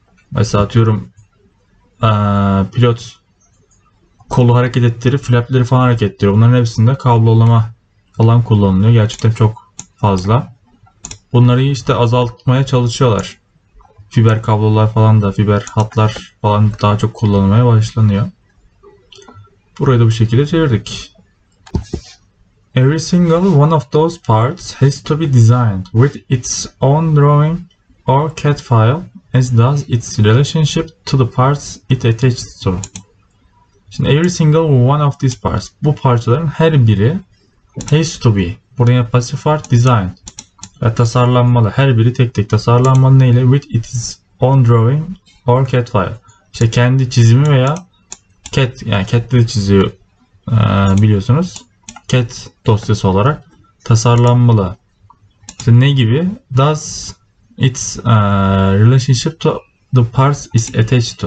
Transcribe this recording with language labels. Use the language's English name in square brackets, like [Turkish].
[Turkish] Mesela atıyorum pilot kolu hareket ettirir, flapleri falan hareket ettirir. Bunların hepsinde kablolama falan kullanılıyor. Gerçekten çok fazla. Bunları işte azaltmaya çalışıyorlar. Fiber kablolar falan da fiber hatlar falan daha çok kullanılmaya başlanıyor. Burayı da bu şekilde çevirdik. [English] Every single one of those parts has to be designed with its own drawing or CAD file as does its relationship to the parts it attaches to. [Turkish] Şimdi [English] every single one of these parts. [Turkish] Bu parçaların her biri [English] has to be. [Turkish] Buraya pasif var. [English] Design. [Turkish] Ve tasarlanmalı. Her biri tek tek tasarlanmalı. Neyle? [English] With its own drawing or CAD file. [Turkish] İşte kendi çizimi veya CAD, yani CAD'de çiziyor biliyorsunuz. CAD dosyası olarak tasarlanmalı. İşte ne gibi? [English] Does its relationship to the parts is attached to.